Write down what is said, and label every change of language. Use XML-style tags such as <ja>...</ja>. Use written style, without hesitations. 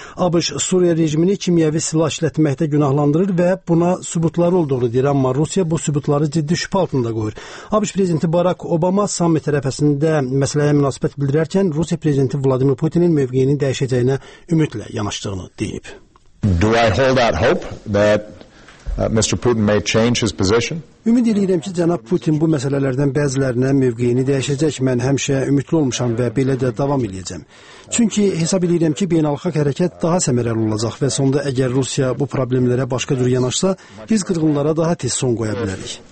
<az>ABŞ Suriya rejimini kimyəvi silah işlətməkdə günahlandırır və buna sübutlar olduğunu deyir, amma Rusiya bu sübutları ciddi şübhə altında qoyur. ABŞ prezidenti Barack Obama sammit tərəfəsində məsələyə münasibət bildirərkən Rusiya prezidenti Vladimir Putinin mövqeyinin dəyişəcəyinə ümidlə yanaşdığını deyib.</az> <en>Do I hold out hope that Mr. Putin may change his position?</en> <az>Ümid edirəm ki, cənab Putin bu məsələlərdən bəzilərinə mövqeyini dəyişəcək. Mən həmişə ümidli olmuşam və belə də davam edəcəm. Çünki hesab edirəm ki, beynəlxalq hərəkət daha səmərəli olacaq və sonda əgər Rusiya bu problemlərə başqa cür yanaşsa, biz qırğınlara daha tez son qoya bilərik.</az>